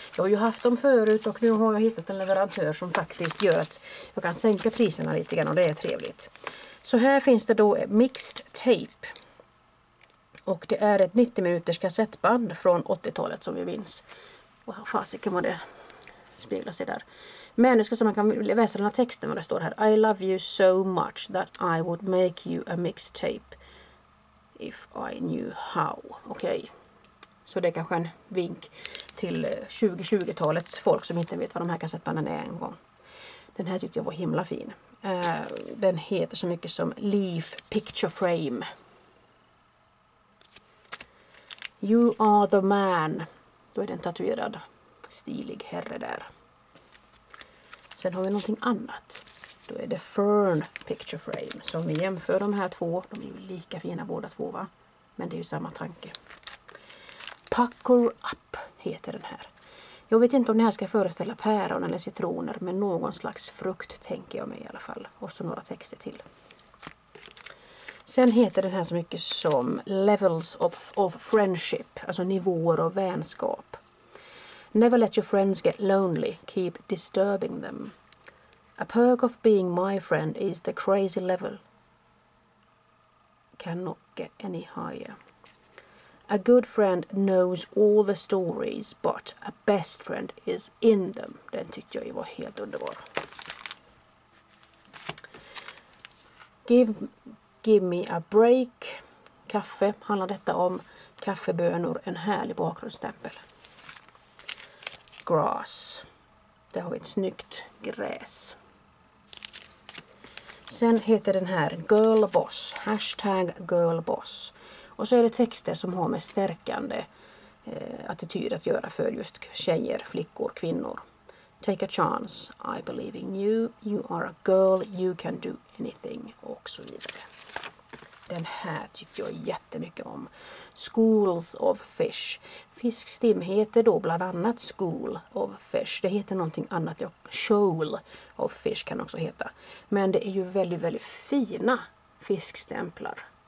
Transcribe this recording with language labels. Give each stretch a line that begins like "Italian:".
Swedish: Jag har ju haft dem förut och nu har jag hittat en leverantör som faktiskt gör att jag kan sänka priserna lite grann och det är trevligt. Så här finns det då mixed tape. Och det är ett 90 minuters kassettband från 80-talet som vi minns. Wow, fasiken vad det speglar sig där. Men nu ska man kan läsa den här texten vad det står här.
English: I love you so much that I would make you a mixed tape if I knew how.
Swedish: Okej. Okay. Så det är kanske en vink till 2020-talets folk som inte vet vad de här kassettbanden är en gång. Den här tyckte jag var himla fin. Den heter så mycket som Leaf Picture Frame.
English: You are the man.
Swedish: Då är den tatuerad stilig herre där. Sen har vi någonting annat. Då är det Fern Picture Frame. Så om vi jämför de här två, de är ju lika fina båda två va? Men det är ju samma tanke. Pucker Up heter den här. Jag vet inte om det här ska föreställa päron eller citroner, men någon slags frukt tänker jag mig i alla fall. Och så några texter till. Sen heter den här så mycket som Levels of Friendship, alltså nivåer av vänskap.
English: Never let your friends get lonely, keep disturbing them. A perk of being my friend is the crazy level. Cannot get any higher. A good friend knows all the stories, but a best friend is in them.
Swedish: Den tyckte jag ju var helt underbar.
English: Give me a break.
Swedish: Kaffe handlar detta om. Kaffebönor, en härlig bakgrundsstämpel. Grass. Där har vi ett snyggt gräs. Sen heter den här Girlboss. Hashtag Girlboss. Och så är det texter som har med stärkande attityd att göra för just tjejer, flickor, kvinnor.
English: Take a chance, I believe in you, you are a girl, you can do anything,
Swedish: och så vidare. Den här tycker jag jättemycket om. Schools of Fish. Fiskstim heter då bland annat School of Fish. Det heter någonting annat. Shoal of Fish kan också heta. Men det är ju väldigt, väldigt fina fiskstämplar.